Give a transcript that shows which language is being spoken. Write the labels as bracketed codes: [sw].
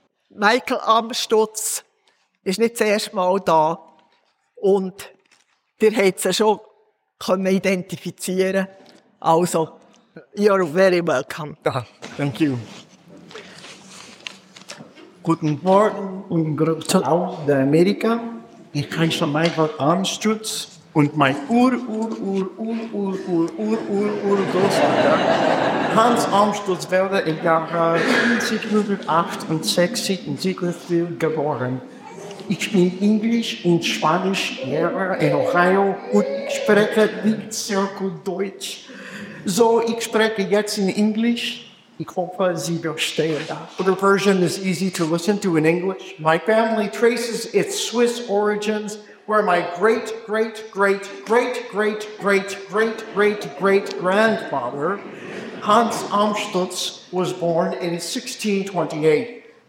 [de] Michael Amstutz ist nicht das erste Mal da und ihr habt sie schon können identifizieren. [en] Also, you're very welcome. Ja, thank you. [de] Guten Morgen und Grüße aus der Amerika. Ich heiße Michael Amstutz und mein Großvater Hans Amstutz wurde im Jahre 1768 in Siegfried geboren. Ich bin Englisch und Spanisch Lehrer in Ohio und ich spreche nicht sehr gut Deutsch. So, ich spreche jetzt in Englisch. Ich hoffe, Sie verstehen das. [en] The version is easy to listen to in English. My family traces its Swiss origins where my great great great great great great great great great grandfather Hans Amstutz was born in 1628.